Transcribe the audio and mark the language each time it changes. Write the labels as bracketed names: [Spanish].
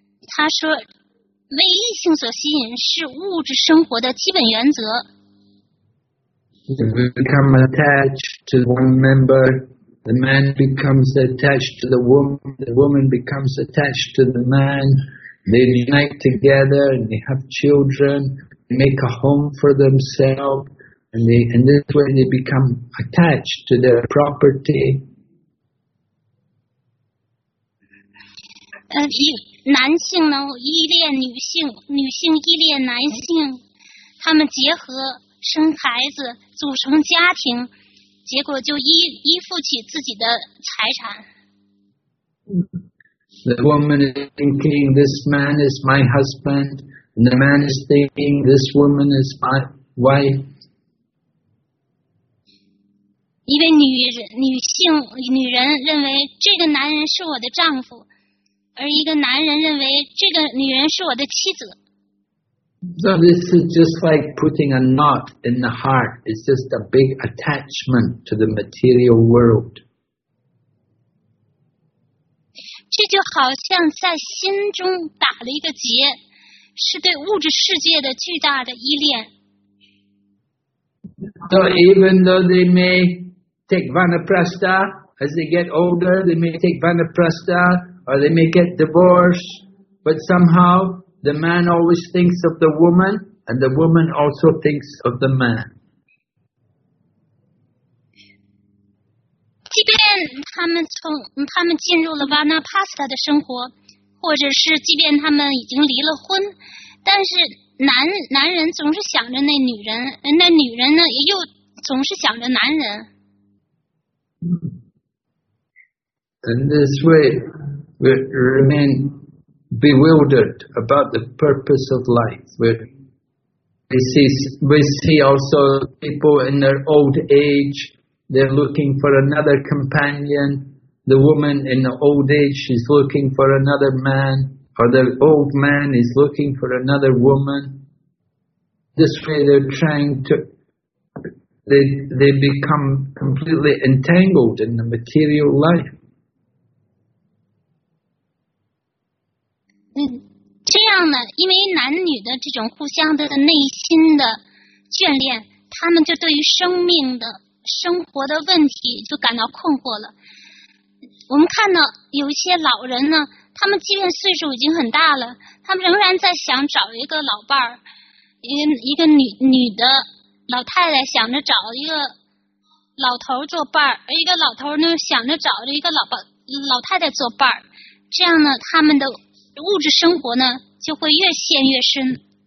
[Chinese] 他说为异性所吸引是物质生活的基本原则。 [English] We become attached to one member, the man becomes attached to the woman becomes attached to the man, they unite together and they have children, they make a home for themselves, and in this way they become attached to their property. [Chinese] 男性呢依恋女性，女性依恋男性，他们结合生孩子，组成家庭，结果就依附起自己的财产。 [English] The woman is thinking this man is my husband, and the man is thinking this woman is my wife. [Chinese] 一位女性认为这个男人是我的丈夫。而一个男人认为这个女人是我的妻子。 [English] So this is just like putting a knot in the heart. It's just a big attachment to the material world. [Chinese] 这就好像在心中打了一个结，是对物质世界的巨大的依恋。 [English] So even though they may take vanaprastha as they get older, they may take vanaprastha or they may get divorced, but somehow the man always thinks of the woman and the woman also thinks of the man. [Chinese] 即便他们进入了 vanaprastha 的生活，或者是即便他们已经离了婚，但是男人总是想着那女人，那女人呢又总是想着男人。 [English] In this way, we remain bewildered about the purpose of life. We see also people in their old age, they're looking for another companion. The woman in the old age, she's looking for another man. Or the old man is looking for another woman. This way they're trying to, they become completely entangled in the material life. [Chinese] 这样呢，因为男女的这种互相的内心的眷恋，他们就对于生命的生活的问题就感到困惑了。我们看到有一些老人呢，他们即便岁数已经很大了，他们仍然在想找一个老伴儿，一个女的老太太想着找一个老头做伴儿，一个老头呢想着找着一个老太太做伴儿，这样呢，他们的物质生活呢就会越陷越深。